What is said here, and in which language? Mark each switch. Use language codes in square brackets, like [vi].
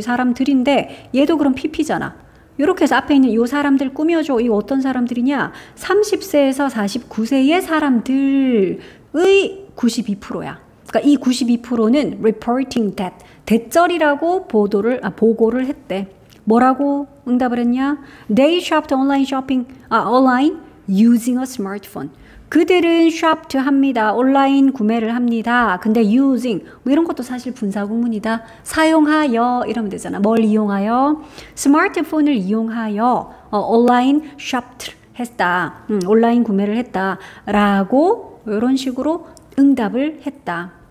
[ko] 사람들인데 얘도 그럼 pp잖아. 이렇게 해서 앞에 있는 요 사람들 꾸며줘. 이거 어떤 사람들이냐? 30세에서 49세의 사람들 의 92%야. 그러니까 이 92%는 [en] reporting that [ko] 대절이라고 보고를 했대. 뭐라고 응답을 했냐? [en] They shopped online shopping online using a smartphone. [ko] 그들은 shopped 합니다. 온라인 구매를 합니다. 근데 using 뭐 이런 것도 사실 분사 구문이다. 사용하여 이러면 되잖아. 뭘 이용하여? 스마트폰을 이용하여 온라인 shopped 했다. 온라인 구매를 했다라고 이런 식으로 응답을 했다.